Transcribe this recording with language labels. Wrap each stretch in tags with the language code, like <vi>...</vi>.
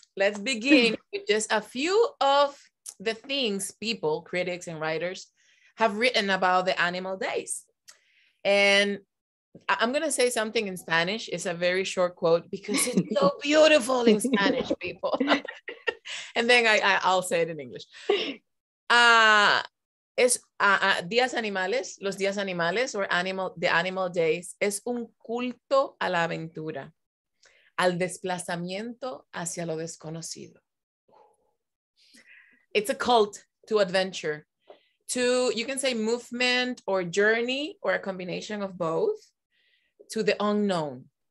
<en>let's begin with just a few of the things people, critics and writers, have written about the animal days. And I'm gonna say something in Spanish. It's a very short quote because it's so beautiful in Spanish, people. And then I'll say it in English.</en> <es>Días animales, los días animales,</es> <en>or animal days,</en> <es>es un culto a la aventura, al desplazamiento hacia lo desconocido.</es> <en>It's a cult to adventure. to, you can say movement or journey or a combination of both, to the unknown.</en>